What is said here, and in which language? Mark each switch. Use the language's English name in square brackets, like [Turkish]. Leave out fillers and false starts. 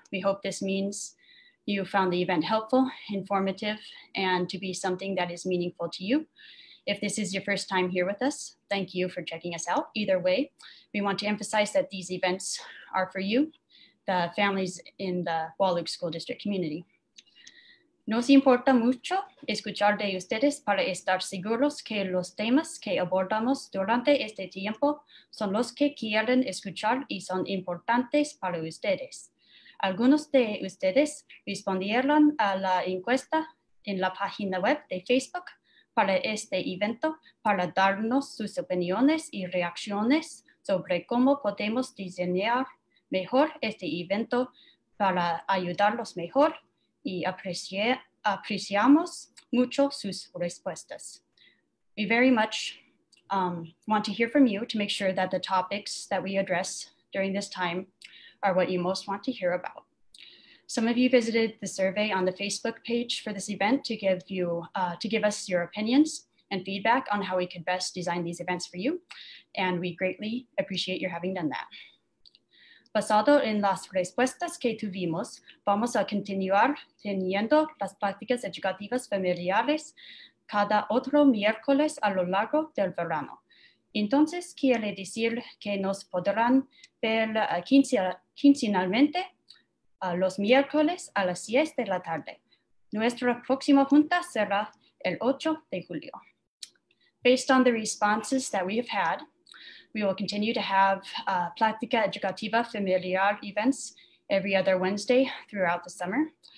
[English] We hope this means you found the event helpful, informative, and to be something that is meaningful to you. If this is your first time here with us, thank you for checking us out. Either way, we want to emphasize that these events are for you, the families in the Wahluke School District community. [Spanish] Nos importa mucho escuchar de ustedes para estar seguros que los temas que abordamos durante este tiempo son los que quieren escuchar y son importantes para ustedes. Algunos de ustedes respondieron a la encuesta en la página web de Facebook para este evento, para darnos sus opiniones y reacciones sobre cómo podemos diseñar mejor este evento para ayudarlos mejor, y apreciamos mucho sus respuestas. [English] We very much want to hear from you to make sure that the topics that we address during this time are what you most want to hear about. Some of you visited the survey on the Facebook page for this event to give you to give us your opinions and feedback on how we could best design these events for you, and we greatly appreciate your having done that. [Spanish] Basado en las respuestas que tuvimos, vamos a continuar teniendo las prácticas educativas familiares cada otro miércoles a lo largo del verano. Entonces, quiere decir que nos podrán ver quincenalmente los miércoles a las 10 de la tarde. Nuestra próxima junta será el 8 de julio. [English] Based on the responses that we have had, we will continue to have Plática Educativa Familiar events every other Wednesday throughout the summer.